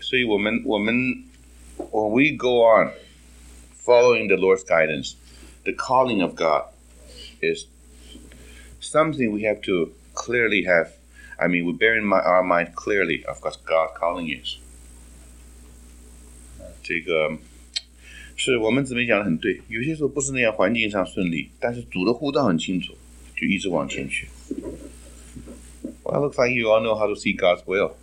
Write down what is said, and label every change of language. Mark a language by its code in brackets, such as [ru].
[zh] 所以我们 [en] when we go on following the Lord's guidance, the calling of God is something we have to clearly have. I mean, we bear in mind our mind clearly of what God's calling is. [zh] 这个是我们姊妹讲的很对，有些时候不是那样环境上顺利，但是主的呼召很清楚，就一直往前去。 [en] Well, it looks like you all know how to see God's will.